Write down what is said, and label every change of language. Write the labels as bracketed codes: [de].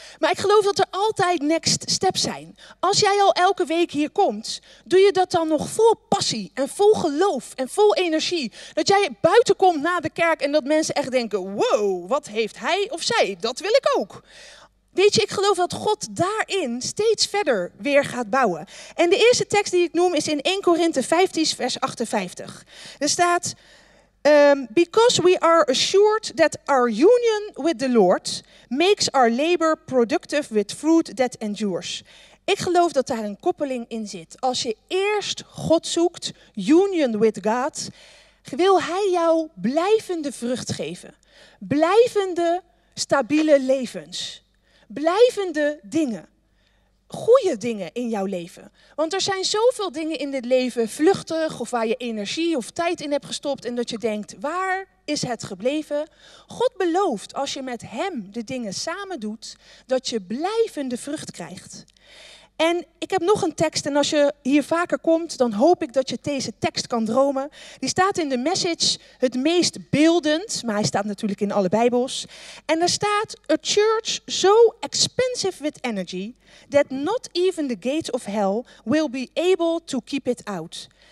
[nl] Maar ik geloof dat er altijd next steps zijn. Als jij al elke week hier komt, doe je dat dan nog vol passie en vol geloof en vol energie. Dat jij buiten komt na de kerk en dat mensen echt denken, wow, wat heeft hij of zij, dat wil ik ook. Weet je, ik geloof dat God daarin steeds verder weer gaat bouwen. En de eerste tekst die ik noem is in 1 Korinthe 15 vers 58. [en] Er staat, because we are assured that our union with the Lord makes our labor productive with fruit that endures. [nl] Ik geloof dat daar een koppeling in zit. Als je eerst God zoekt, [en] union with God, [nl] wil hij jou blijvende vrucht geven. Blijvende, stabiele levens. Blijvende dingen. goede dingen in jouw leven. Want er zijn zoveel dingen in dit leven vluchtig of waar je energie of tijd in hebt gestopt en dat je denkt, waar is het gebleven? God belooft als je met hem de dingen samen doet, dat je blijvende vrucht krijgt. En ik heb nog een tekst en als je hier vaker komt, dan hoop ik dat je deze tekst kan dromen. Die staat in de Message het meest beeldend, maar hij staat natuurlijk in alle Bijbels. [en] En daar staat, a church so expensive with energy that not even the gates of hell will be able to keep it out.